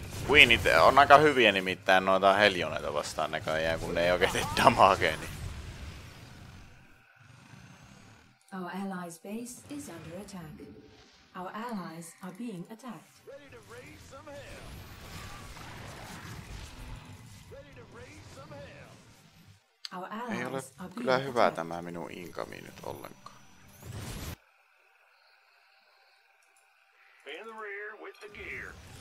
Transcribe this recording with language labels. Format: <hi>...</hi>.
<fi>Queenit on aika hyviä nimittäin noita helioneita vastaan näköjään, kun ne ei oikein tee damagea, niin.</fi> <en>Our allies base is under attack. Our allies are being attacked. Ready to raise some hell. Ready to raise some hell. Our allies</en> <fi>ei ole kyllä hyvä tämä minun inkami nyt ollenkaan.</fi> <en>In the rear with the gear.</en>